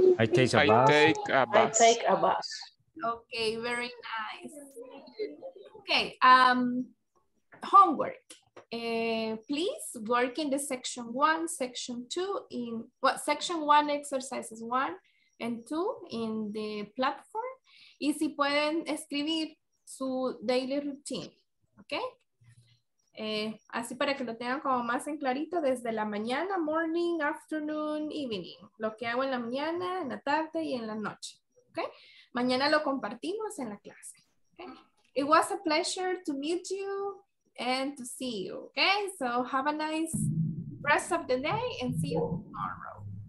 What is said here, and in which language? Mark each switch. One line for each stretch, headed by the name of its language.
English: I take a bus. Okay, very nice. Okay, homework. please work in the section one, section two, in what section one exercises one and two in the platform.
Spanish: Y si pueden escribir su daily routine, ¿ok? Así para que lo tengan como más en clarito desde la mañana, morning, afternoon, evening. Lo que hago en la mañana, en la tarde y en la noche, ¿ok? Mañana lo compartimos en la clase, ¿okay?
English: It was a pleasure to meet you and to see you, ¿ok? So have a nice rest of the day and see you tomorrow.